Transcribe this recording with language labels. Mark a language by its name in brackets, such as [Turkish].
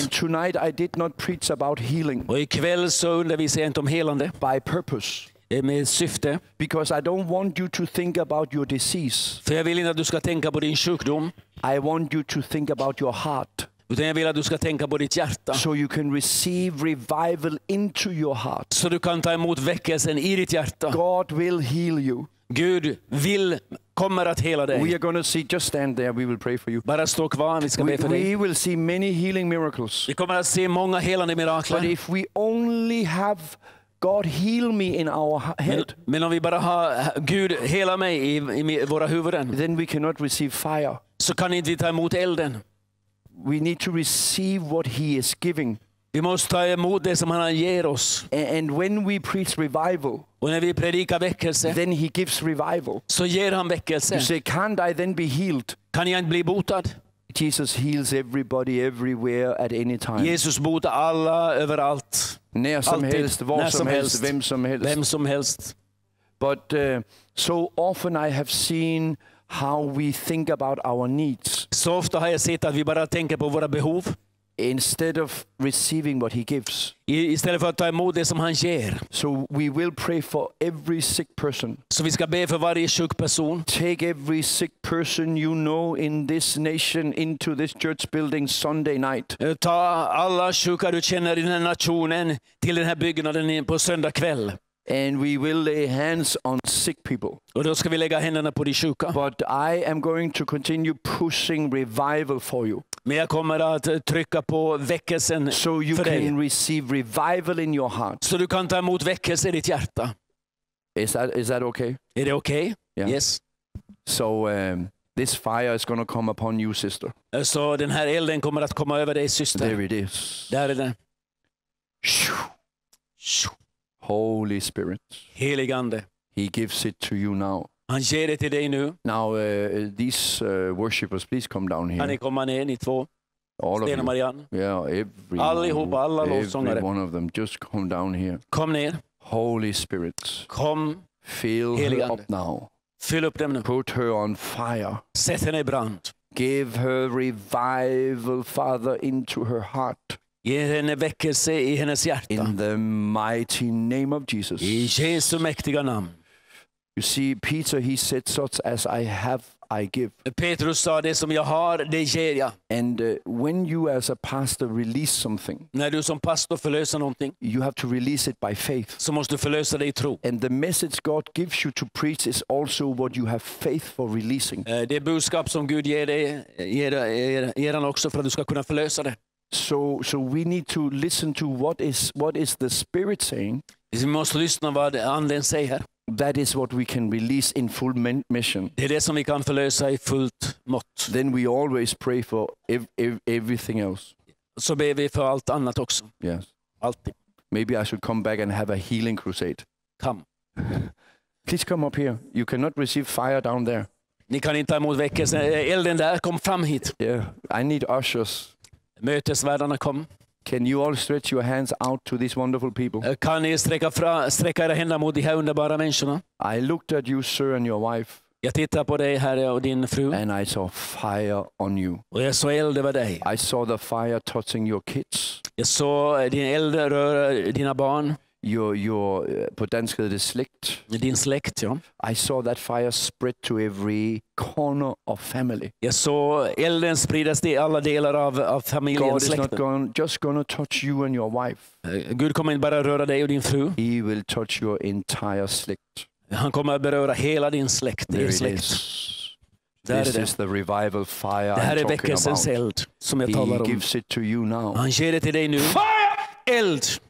[English] And tonight I did not preach about healing. [Swedish] Och ikväll så undervisar jag inte om helande. [English] By purpose. [Swedish] Med syfte. [English] Because I don't want you to think about your disease. [Swedish] För jag vill inte att du ska tänka på din sjukdom. [English] I want you to think about your heart. [Swedish] Utan jag vill att du ska tänka på ditt hjärta. [English] So you can receive revival into your heart. [Swedish] Så du kan ta emot väckelsen i ditt hjärta. [English] God will heal you. [Swedish] Gud vill, kommer att hela dig. [English] We are going to see, just stand there, we will pray for you. [Swedish] Bara stå kvar, vi ska be för dig. [English] We will see many healing miracles. [Swedish] Vi kommer att se många helande mirakler. [English] But if we only have God heal me in our head. [Swedish] Men om vi bara har Gud hela mig i våra huvuden. [English] Then we cannot receive fire. [Swedish] Så kan inte vi ta emot elden. [English] We need to receive what he is giving. [Swedish] Vi måste ta emot det som han ger oss. [English] And when we preach revival, [Swedish] och när vi predikar väckelse, [English] then he gives revival. [Swedish] Så ger han väckelse. [English] You say, can't I then be healed? [Swedish] Kan jag inte bli botad? [English] Jesus heals everybody everywhere at any time. [Swedish] Jesus botar alla överallt. När som helst, var som helst, vem som helst. Vem som helst. [English] But so often I have seen how we think about our needs. [Swedish] Så ofta har jag sett att vi bara tänker på våra behov. [English] Instead of receiving what he gives. [Swedish] Istället för att ta emot det som han ger. [English] So we will pray for every sick person. [Swedish] Så vi ska be för varje sjuk person. [English] Take every sick person you know in this nation into this church building Sunday night. [Swedish] Ta alla sjuka du känner i den här nationen till den här byggnaden på söndag kväll. [English] And we will lay hands on sick people. [Swedish] Och då ska vi lägga händerna på de sjuka. [English] But I am going to continue pushing revival for you. [Swedish] Men jag kommer att trycka på väckelsen [English] so you [Swedish] för [English] can [Swedish] dig. [English] Receive revival in your heart. [Swedish] Så du kan ta emot väckelse i ditt hjärta. [English] Is that okay? [Swedish] Är det okej? [English] Okay? Yeah. Yes. So this fire is going to come upon you, sister. [Swedish] Så den här elden kommer att komma över dig, syster. [English] There it is. [Swedish] Där är den. [English] Holy Spirit. [Swedish] Helig ande. [English] He gives it to you now. [Swedish] Han ger det till dig nu. [English] Now these worshippers, please come down here. [Swedish] Kan ni komma ner, ni två? [English] All [Swedish] Sten [English] of you. Marianne. Yeah, every. [Swedish] Allihop, alla lovsångare. [English] Every one of them, just come down here. [Swedish] Kom ner. [English] Holy Spirit. [Swedish] Kom. [English] Fill her [Swedish] ande. [English] Up now. [Swedish] Fyll upp dem nu. [English] Put her on fire. [Swedish] Sätt henne i brand. [English] Give her revival, Father, into her heart. [Swedish] Ge henne väckelse i hennes hjärta. [English] In the mighty name of Jesus. [Swedish] I Jesu mäktiga namn. [English] You see, Peter, he said, such as I have, I give. [Swedish] Petrus sa, det som jag har, det ger jag. [English] And when you as a pastor release something, [Swedish] när du som pastor förlöser någonting, [English] you have to release it by faith. [Swedish] Så måste du förlösa det i tro. [English] And the message God gives you to preach is also what you have faith for releasing. [Swedish] Det budskap som Gud ger dig, ger han också för att du ska kunna förlösa det. [English] So we need to listen to what is the Spirit saying. [Swedish] Vi måste lyssna vad anden säger. [English] That is what we can release in full mission. [Swedish] Det är det som vi kan förlösa i fullt mått. [English] Then we always pray for everything else. [Swedish] Så ber vi för allt annat också. [English] Yes. [Swedish] Alltid. [English] Maybe I should come back and have a healing crusade. Come. Please come up here. You cannot receive fire down there. [Swedish] Ni kan inte ta emot väckelsen. Elden där, kom fram hit. [English] Yeah. I need ushers. [Swedish] Mötesvärdarna, kom. [English] Can you all stretch your hands out to these wonderful people? [Swedish] Kan ni sträcka era händer mot de här underbara människorna? [English] I looked at you, sir, and your wife. [Swedish] Jag tittar på dig, herre, och din fru. [English] And I saw fire on you. [Swedish] Och jag såg eld över dig. [English] I saw the fire touching your kids. [Swedish] Jag såg din eld röra dina barn. [English] Your [Swedish] på danska det släkt. Din släkt, ja. [English] I saw that fire spread to every corner of family. [Swedish] Jag såg elden spridas till alla delar av familjen, [English] God [Swedish] släkten. [English] God is not just gonna touch you and your wife. [Swedish] Gud kommer inte bara röra dig och din fru. [English] He will touch your entire släkt. [Swedish] Han kommer att beröra hela din släkt. [English] There [Swedish] din släkt. [English] Is. This is the revival fire. [Swedish] Det här [English] I'm [Swedish] är väckelsens eld som jag [English] He [Swedish] talar om. [English] He gives it to you now. [Swedish] Han ger det till dig nu. [English] Fire! [Swedish] Eld!